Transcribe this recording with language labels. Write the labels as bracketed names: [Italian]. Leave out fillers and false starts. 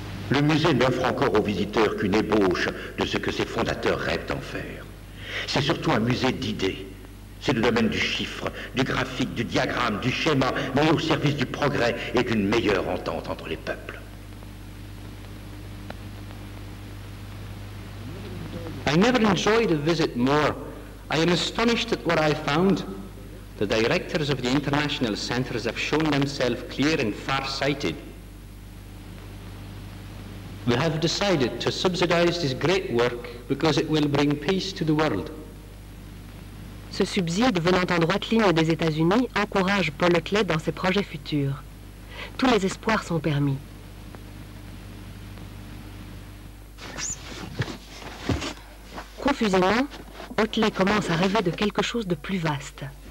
[French] Le musée n'offre encore aux visiteurs qu'une ébauche de ce que ses fondateurs rêvent d'en faire. C'est surtout un musée d'idées. C'est le domaine du chiffre, du graphique, du diagramme, du schéma, mais au service du progrès et d'une meilleure entente entre les peuples. [English] I never enjoyed a visit more. I am astonished at what I found. The directors of the international centers have shown themselves clear and far-sighted. We have decided to subsidize this great work because it will bring peace to the world. [French] Ce subside venant en droite ligne des États-Unis encourage Paul Otley dans ses projets futurs. Tous les espoirs sont permis. Confusément, Otley commence à rêver de quelque chose de plus vaste.